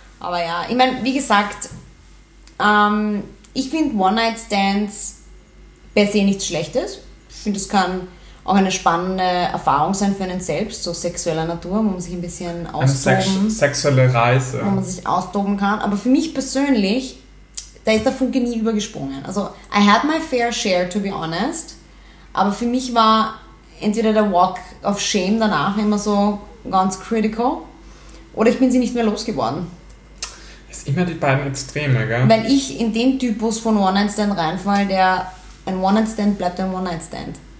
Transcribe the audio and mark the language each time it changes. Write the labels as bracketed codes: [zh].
[de] Aber ja, ich meine, wie gesagt, ich finde One-Night-Stands per se nichts Schlechtes. Ich finde, es kann auch eine spannende Erfahrung sein für einen selbst, so sexueller Natur, wo man sich ein bisschen austoben. Eine sexuelle Reise. Wo man sich austoben kann. Aber für mich persönlich, da ist der Funke nie übergesprungen. [en] Also, I had my fair share, to be honest. [de] Aber für mich war entweder der Walk of Shame danach immer so ganz critical oder ich bin sie nicht mehr losgeworden. Das sind immer die beiden Extreme, gell? Weil ich in den Typus von One-Night-Stand reinfall, der ein One-Night-Stand bleibt ein One-Night-Stand.